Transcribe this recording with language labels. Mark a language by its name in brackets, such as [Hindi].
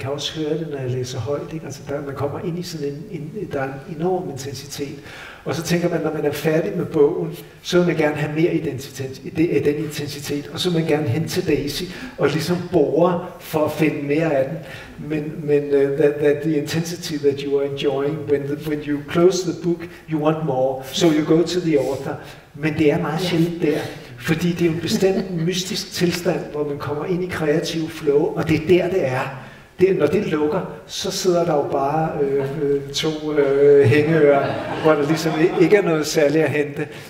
[Danish] Man kan også høre det, når jeg læser højt. Ikke? Altså, man kommer ind i sådan der er en enorm intensitet. Og så tænker man, når man er færdig med bogen, så vil man gerne have mere identitet af den intensitet. Og så vil man gerne hen til Daisy og ligesom bore for at finde mere af den. Men [English] that the intensity that you are enjoying, when you close the book, you want more. So you go to the author. [Danish] Men det er meget sjældent der. Fordi det er en bestemt mystisk tilstand, hvor man kommer ind i kreativ flow, og det er der, det er. Når det lukker, så sidder der jo bare to hængeører, hvor der ligesom ikke er noget særligt at hente.